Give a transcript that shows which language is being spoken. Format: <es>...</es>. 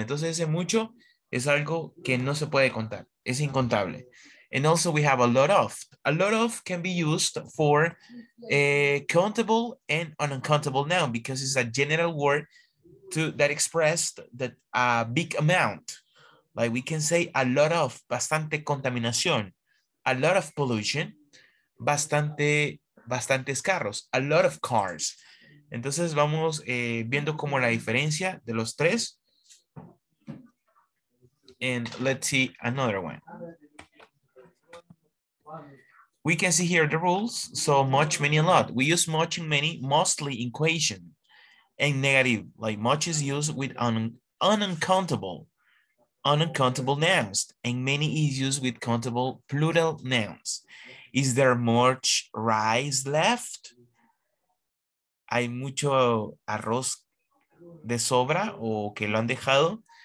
<es>Entonces, ese mucho es algo que no se puede contar.</es> <en>Es incontable. And also, we have a lot of. A lot of can be used for a countable and uncountable noun because it's a general word to that expressed that a big amount. Like we can say a lot of, bastante contaminación, a lot of pollution, bastantes carros, a lot of cars.</en> <es>Entonces vamos viendo como la diferencia de los tres.</es> <en>And let's see another one. We can see here the rules. So much, many, a lot. We use much and many mostly in question and negative. Like much is used with uncountable nouns, and many is used with countable plural nouns. Is there much rice left?</en> <es>¿Hay mucho arroz de sobra o que lo han dejado?</es>